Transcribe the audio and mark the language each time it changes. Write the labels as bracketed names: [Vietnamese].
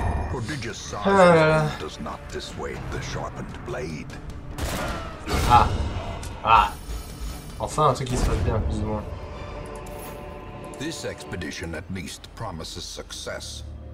[English] Prodigious size does not dissuade the sharpened blade. Ah. Ah. [French] Enfin, un truc qui se passe bien, plus ou moins. [English] This expedition at least promises success.